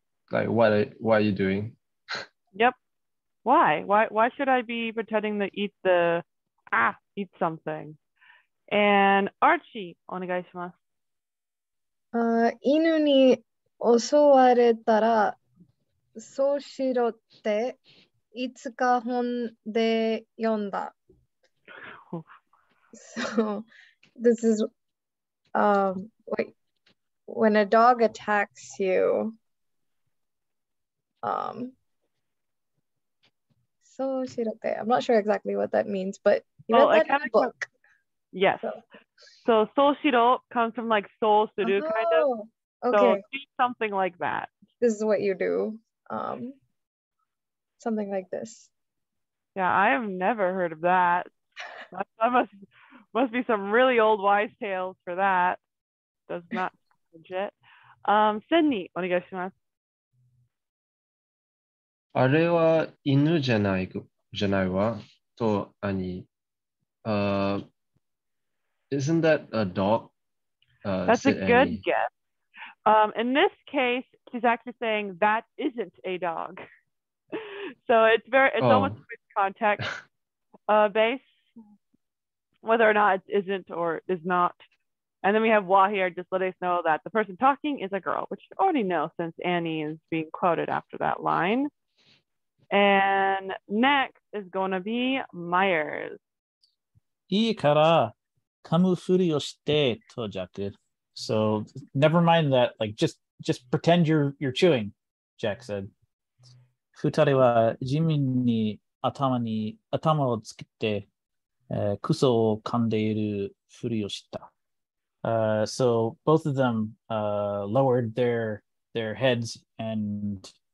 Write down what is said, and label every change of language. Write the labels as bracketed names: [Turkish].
[English] Like what are you doing? Yep. Why should I be pretending to eat something? And Archie, [Japanese] お願いします。犬に襲われたらそうしろっていつか本で読んだ。 [English] So this is when a dog attacks you, I'm not sure exactly what that means, but you read that in a book. Yes. So soshiro comes from like soul suru kind of. Okay. So do something like that. This is what you do. Something like this. Yeah, I have never heard of that. That must be some really old wise tales for that. Does not sound legit. Sydney, what do you guys want to ask? [Japanese] あれは犬じゃないわと兄。 [English] Isn't that a dog? That's a good guess. In this case, she's actually saying that isn't a dog. So it's almost with context base, whether or not it isn't or is not. And then we have Wah here just letting us know that the person talking is a girl, which you already know since Annie is being quoted after that line. And next is going to be Myers. [Japanese] いいから、噛むふりをして、とジャック。 [English] So, never mind that. Like, just pretend you're chewing, Jack said. [Japanese] 二人は地面に頭をつけて、クソを噛んでいるふりをした。 [English] So, both of them lowered their heads and...